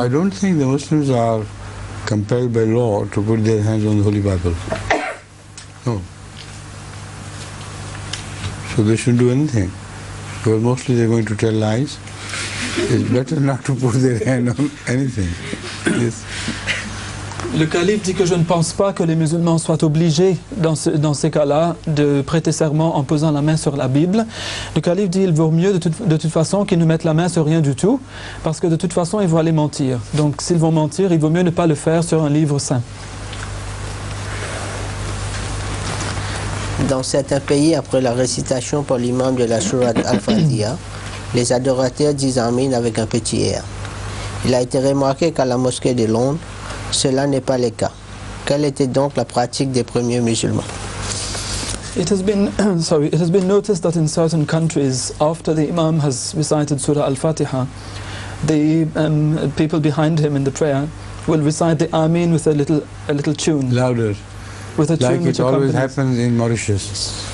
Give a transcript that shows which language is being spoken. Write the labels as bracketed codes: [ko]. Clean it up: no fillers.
[en] I don't think the Muslims are compelled by law to put their hands on the Holy Bible. No. So they shouldn't do anything. Because mostly they're going to tell lies. It's better not to put their hand on anything. Yes. [fr] Le calife dit que je ne pense pas que les musulmans soient obligés dans ces cas-là de prêter serment en posant la main sur la Bible. Le calife dit qu'il vaut mieux de toute façon qu'ils ne mettent la main sur rien du tout, parce que de toute façon ils vont aller mentir. Donc s'ils vont mentir, il vaut mieux ne pas le faire sur un livre saint. Dans certains pays, après la récitation par l'imam de la sourate Al-Fatiha, les adorateurs disent Amin avec un petit R. Il a été remarqué qu'à la mosquée de Londres, cela n'est pas le cas. Quelle était donc la pratique des premiers musulmans? [en] It has been noticed that in certain countries, after the imam has recited Surah Al-Fatiha, the people behind him in the prayer will recite the Amin with a little tune. Louder. With a tune like which it always happens in Mauritius.